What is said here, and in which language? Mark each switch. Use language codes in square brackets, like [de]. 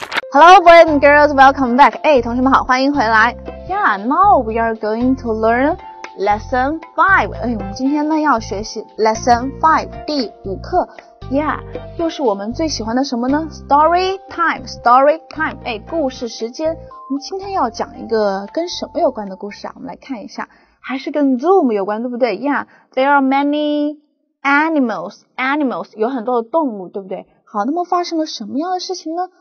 [en] Hello, boys and girls, welcome back. [zh] 哎，同学们好，欢迎回来。 [en] Yeah, now we are going to learn lesson 5. [zh] 哎，我们今天呢要学习 lesson 5, 第五课。 Yeah, 又是我们最喜欢的什么呢？ [en] Story time. [zh] 哎，故事时间。我们今天要讲一个跟什么有关的故事啊？我们来看一下。还是跟 Zoom 有关，对不对？ [en] Yeah, there are many animals, [zh] 有很多的动物，对不对？好，那么发生了什么样的事情呢？